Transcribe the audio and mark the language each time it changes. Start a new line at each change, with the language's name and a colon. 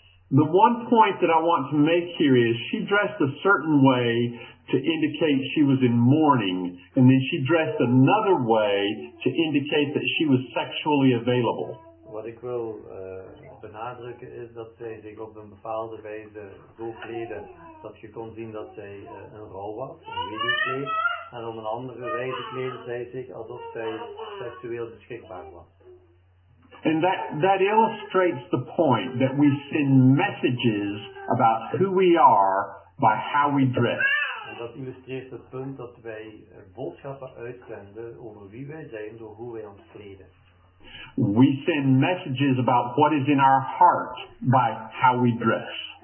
English: The one point that I want to make here is she dressed a certain way to indicate she was in mourning, and then she dressed another way to indicate that she was sexually available.
Dutch: Wat ik wil benadrukken is dat zij zich op een bepaalde wijze zo kleden dat je kon zien dat zij een rouw was, een weduwkleed, en op een andere wijze kleden zij zich alsof zij seksueel beschikbaar was.
English: And that illustrates the point that we send messages about who we are by how we dress.
Dutch: En dat illustreert het punt dat wij boodschappen uitzenden over wie wij zijn door hoe wij ons kleden.
English: We send messages about what is in our heart by how we dress.